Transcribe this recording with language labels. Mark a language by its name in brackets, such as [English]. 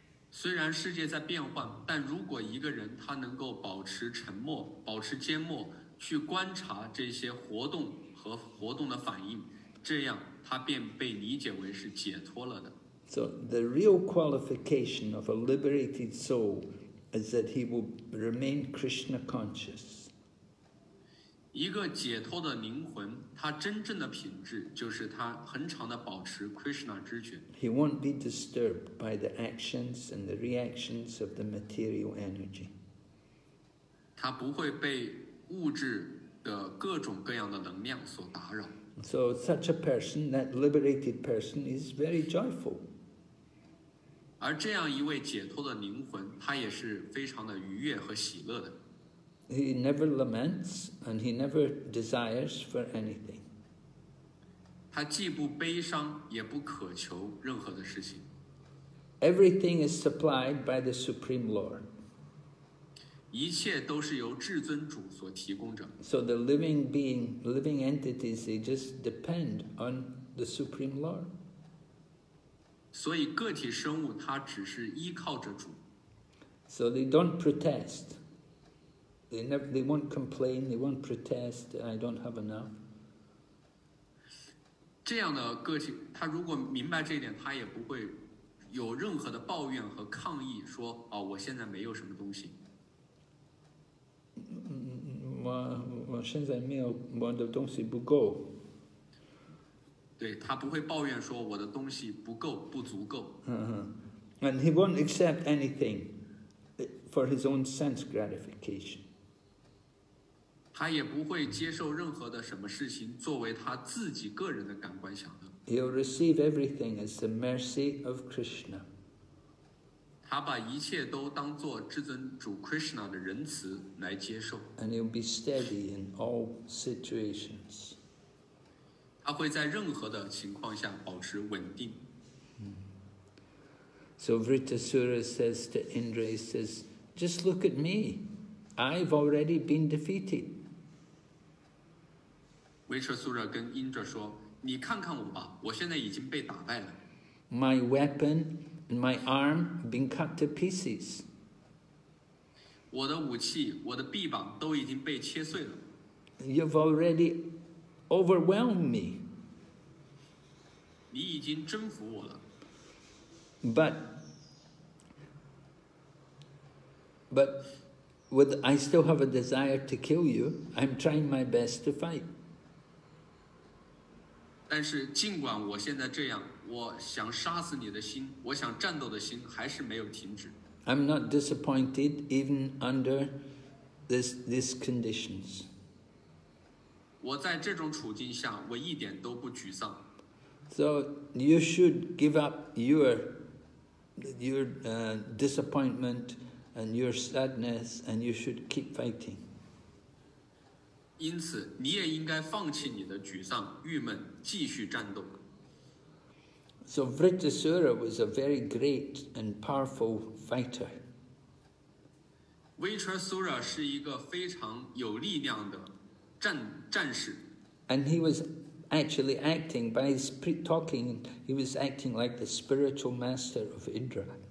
[Chinese] 虽然世界在变换，但如果一个人他能够保持沉默，保持缄默，去观察这些活动和活动的反应，这样他便被理解为是解脱了的。 [English] So the real qualification of a liberated soul is that he will remain Krishna conscious. [Chinese] 一个解脱的灵魂，他真正的品质就是他恒常的保持 Krishna 知觉。 [English] He won't be disturbed by the actions and the reactions of the material energy. [Chinese] 他不会被物质的各种各样的能量所打扰。 [English] So such a person, that liberated person, is very joyful. [Chinese] 而这样一位解脱的灵魂，他也是非常的愉悦和喜乐的。 [English] He never laments and he never desires for anything. [Chinese] 他既不悲伤也不渴求任何的事情。 [English] Everything is supplied by the Supreme Lord. [Chinese] 一切都是由至尊主所提供着。 [English] So the living being, living entities, they just depend on the Supreme Lord. [Chinese] 所以个体生物它只是依靠着主。 [English] So they don't protest. They won't complain, they won't protest, I don't have enough. [Chinese] 这样的个体，他如果明白这一点，他也不会有任何的抱怨和抗议，说，哦，我现在没有什么东西。我现在没有，我的东西不够。对，他不会抱怨说我的东西不够，不足够。 [English] And he won't accept anything for his own sense gratification. [Chinese] 他也不会接受任何的什么事情作为他自己个人的感官享乐。 [English] He'll receive everything as the mercy of Krishna. [Chinese] 他把一切都当作至尊主 Krishna 的仁慈来接受。 [English] And he'll be steady in all situations. [Chinese] 他会在任何的情况下保持稳定。 [English] So Vritasura says to Indra, he says, just look at me. I've already been defeated. [Chinese] 维彻苏热跟英哲说：“你看看我吧，我现在已经被打败了。 [English] My weapon and my arm have been cut to pieces. [Chinese] 我的武器、我的臂膀都已经被切碎了。 [English] You've already overwhelmed me. [Chinese] 你已经征服我了。 [English] But with I still have a desire to kill you. I'm trying my best to fight.” [Chinese] 但是尽管我现在这样，我想杀死你的心，我想战斗的心还是没有停止。 [English] I'm not disappointed even under these conditions. [Chinese] 我在这种处境下，我一点都不沮丧。 [English] So you should give up your disappointment and your sadness, and you should keep fighting. [Chinese] 因此你也应该放弃你的沮丧郁闷继续战斗。 [English] So Vritasura was a very great and powerful fighter. [Chinese] Vritrasura 是一个非常有力量的 战士。 [English] And he was actually acting by his talking, he was acting like the spiritual master of Indra.